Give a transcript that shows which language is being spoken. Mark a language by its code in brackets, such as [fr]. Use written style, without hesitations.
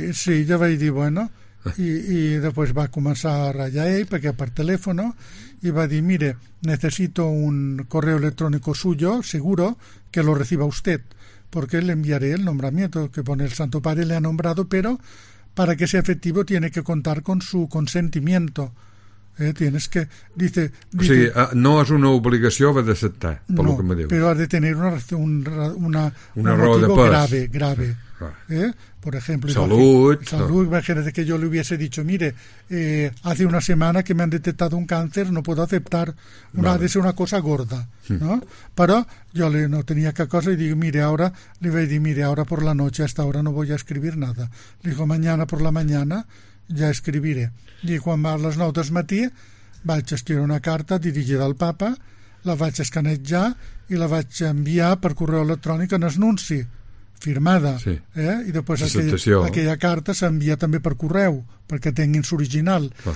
[ca] Sí, jo vaig dir, bueno, i després va començar a ratllar ell, perquè per telèfon, i va dir, [es] mire, necesito un correo electrónico suyo, seguro, que lo reciba usted, porque le enviaré el nombramiento que pone el Santo Padre, le ha nombrado, pero para que sea efectivo tiene que contar con su consentimiento. Tienes que... Dice, [ca] o sigui, no és una obligació haver d'acceptar, per no, el que me dius. Però has de tenir una raó de pes. [es] Grave. Por ejemplo, [ca] salut. [es] Imagínate que yo le hubiese dicho, mire, hace una semana que me han detectado un cáncer, no puedo aceptar, [ca] ha de ser una cosa gorda. [es] Sí. ¿No? [ca] Però jo no tenia cap cosa i dic, [es] mire, ahora, le voy a decir, mire, ahora por la noche, a esta hora no voy a escribir nada. Le digo, mañana por la mañana... [ca] ja escriviré. I quan va a les 9 del matí vaig escriure una carta dirigida al papa, la vaig escanejar i la vaig enviar per correu electrònic en anunci firmada. Sí. I després aquella carta s'envia també per correu perquè tinguin l'original.